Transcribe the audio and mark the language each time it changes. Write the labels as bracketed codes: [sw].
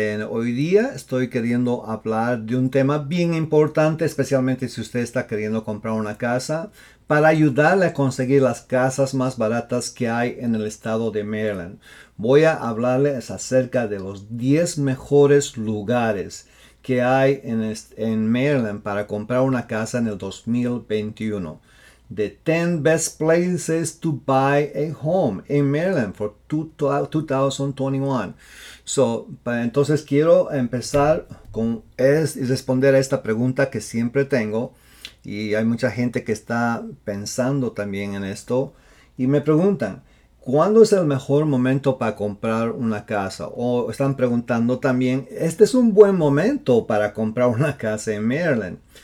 [es] Hoy día estoy queriendo hablar de un tema bien importante, especialmente si usted está queriendo comprar una casa, para ayudarle a conseguir las casas más baratas que hay en el estado de Maryland. Voy a hablarles acerca de los 10 mejores lugares que hay en Maryland para comprar una casa en el 2021. [en] The 10 best places to buy a home in Maryland for 2021. [es] Entonces quiero empezar con responder a esta pregunta que siempre tengo, y hay mucha gente que está pensando también en esto y me preguntan, ¿cuándo es el mejor momento para comprar una casa? O están preguntando también, ¿este es un buen momento para comprar una casa en Maryland?